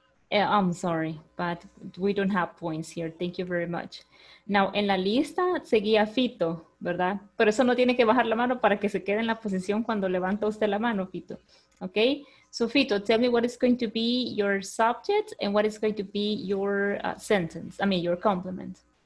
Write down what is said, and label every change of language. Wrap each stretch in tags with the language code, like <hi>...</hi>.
<en>I'm sorry, but we don't have points here. Thank you very much. Now,</en> <es>en la lista seguía Fito, ¿verdad? Pero eso no tiene que bajar la mano para que se quede en la posición cuando levanta usted la mano, Fito. Okay?</es> <en>So, Fito, tell me what is going to be your subject and what is going to be your sentence, I mean, your compliment.</en>